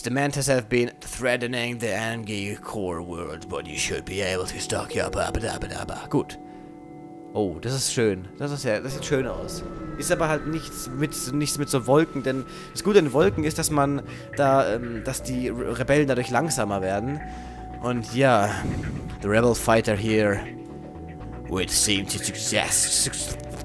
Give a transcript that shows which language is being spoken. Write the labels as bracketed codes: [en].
[en] The Mantis have been threatening the Angi core world, but you should be able to stock your ba-ba-da-ba-da-ba. [de] Gut. Oh, das ist schön. Das sieht schön aus. Ist aber halt nichts mit so Wolken, denn das Gute an Wolken ist, dass man da, dass die Rebellen dadurch langsamer werden. Und ja, [en] the Rebel Fighter here would seem to suggest.